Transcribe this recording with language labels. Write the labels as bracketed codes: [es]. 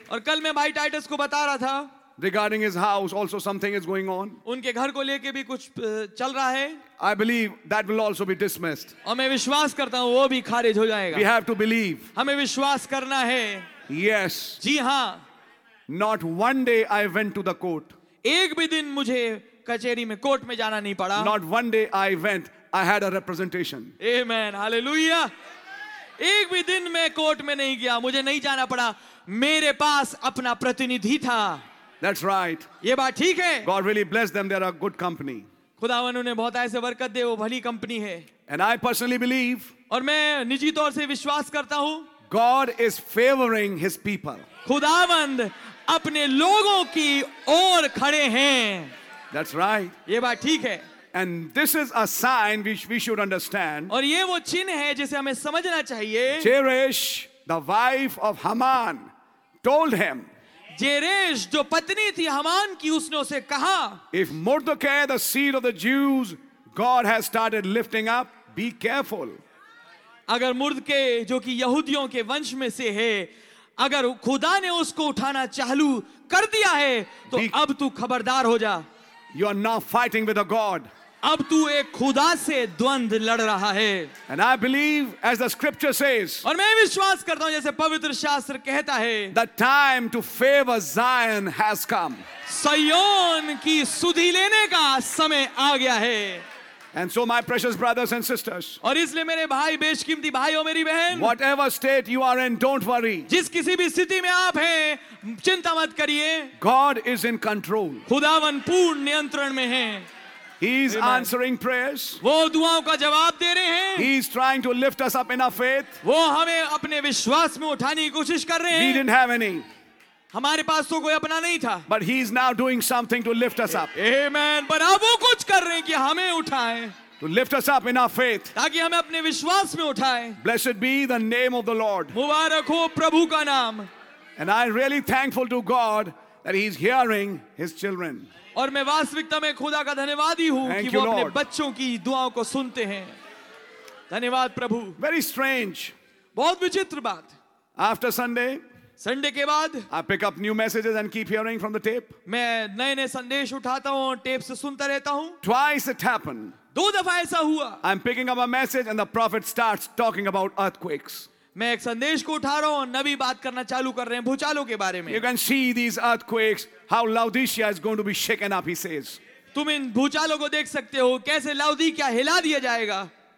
[hi] और कल मैं भाई टाइटस को बता रहा था, [en] regarding his house, also something is going on. [hi] उनके घर को लेके भी कुछ चल रहा है. [en] I believe that will also be dismissed. [hi] और मैं विश्वास करता हूं वो भी खारिज हो जाएगा. [en] We have to believe. [hi] हमें विश्वास करना है. [en] Yes. [hi] जी हाँ. [en] Not one day I went to the court. [hi] एक भी दिन मुझे कचेरी में कोर्ट में जाना नहीं पड़ा. [en] Not one day I went. I had a representation. Amen. Hallelujah. [hi] एक भी दिन मैं कोर्ट में नहीं गया. मुझे नहीं जाना पड़ा. मेरे पास अपना प्रतिनिधि था. [en] That's right. [hi] ये बात ठीक है. [en] God really blessed them. They are a good company. [hi] खुदावन उन्हें बहुत ऐसे बरकत दे. वो भली कंपनी है. [en] And I personally believe. [hi] और मैं निजी तौर से विश्वास करता हूँ. [en] God is favoring His people. [hi] खुदावंद अपने लोगों की ओर खड़े हैं. [en] That's right. [hi] ये बात ठीक है. [en] And this is a sign which we should understand. [hi] और ये वो चिन्ह है जिसे हमें समझना चाहिए. [en] Jeresh, the wife of Haman, told him. [hi] जेरेश जो पत्नी थी हमान की, उसने उसे कहा. [en] If Mordecai, the seed of the Jews, God has started lifting up, be careful. [hi] अगर मुर्दके जो कि यहूदियों के वंश में से है, अगर खुदा ने उसको उठाना चालू कर दिया है, तो अब तू खबरदार हो जा. [en] You are now fighting with a God. [hi] अब तू एक खुदा से द्वंद लड़ रहा है. [en] And I believe, as the scripture says, [hi] और मैं विश्वास करता हूं जैसे पवित्र शास्त्र कहता है, [en] the time to favor Zion has come. [hi] Zion की सुधि लेने का समय आ गया है. [en] And so, my precious brothers and sisters, [hi] और इसलिए मेरे भाई बेशकीमती भाइयों, मेरी बहन, [en] whatever state you are in, don't worry. [hi] जिस किसी भी स्थिति में आप हैं, चिंता मत करिए. [en] God is in control. [hi] खुदावन पूर्ण नियंत्रण में है. [en] He is answering prayers. [hi] वो दुआओं का जवाब दे रहे हैं. [en] He is trying to lift us up in our faith. [hi] वो हमें अपने विश्वास में उठाने की कोशिश कर रहे हैं. [en] We didn't have any. [hi] हमारे पास तो कोई अपना नहीं था. [en] But he is now doing something to lift us up. Amen. [hi] पर अब वो कुछ कर रहे हैं कि हमें उठाएं. [en] To lift us up in our faith. [hi] ताकि हमें अपने विश्वास में उठाएं. [en] Blessed be the name of the Lord. [hi] मुबारक हो प्रभु का नाम. [en] And I am really thankful to God that he is hearing his children. [hi] और मैं वास्तविकता में खुदा का धन्यवादी हूँ कि वो अपने बच्चों की दुआओं को सुनते हैं. धन्यवाद प्रभु. [en] Very strange. [hi] बहुत विचित्र बात. [en] After Sunday. [hi] संडे के बाद [en] I pick up new messages and keep hearing from the tape. [hi] मैं नए संदेश उठाता हूँ, टेप से सुनता रहता हूँ. [en] Twice it happened. [hi] दो दफा ऐसा हुआ. [en] I'm picking up a message and the prophet starts talking about earthquakes. [hi] मैं एक संदेश को उठा रहा हूँ, नबी बात करना चालू कर रहे हैं भूचालों के बारे में. [en] You can see these earthquakes, how Laodicea is going to be shaken up, he says. [hi] तुम इन भूचालों को देख सकते हो कैसे लौदीकिया हिला दिया जाएगा.